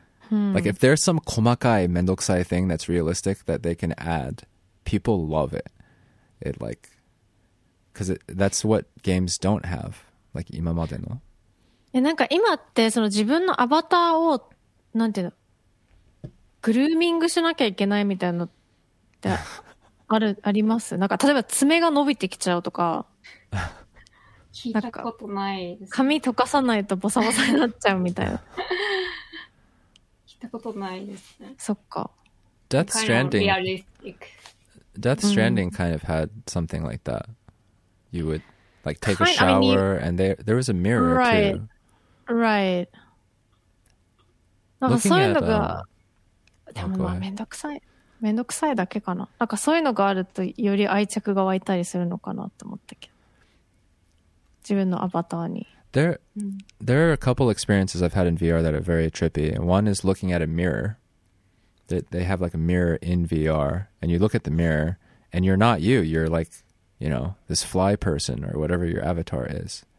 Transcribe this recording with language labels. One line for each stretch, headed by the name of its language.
English: Like if there's some
Japanese: 細かいめんどくさい
English: thing that's realistic that they can add, people love it. It like, because that's what games don't have. Like
Japanese: 今までの。え、なんか今ってその自分のアバターをなんていうの。グルーミングしなきゃいけないみたいなのってあります？なんか例えば爪が伸びてきちゃうとか聞いたことないです、ね、髪溶かさないとボサボサになっちゃうみたいな聞いたことないですね。そっか。
English: Death Stranding kind of realistic. Death Stranding kind of had something like that. You would like take a shower and there was a mirror too. Right.
Japanese: なんかそういうのが、でもまあめんどくさい。めんどくさいだけかな。なんかそういうのがあるとより愛着が湧いたりするのかなって思ったけど。自分のアバターに。
English: There are a couple experiences I've had in VR that are very trippy. One is looking at a mirror. They have like a mirror in VR. And you look at the mirror and you're not you. You're like, you know, this fly person or whatever your avatar is.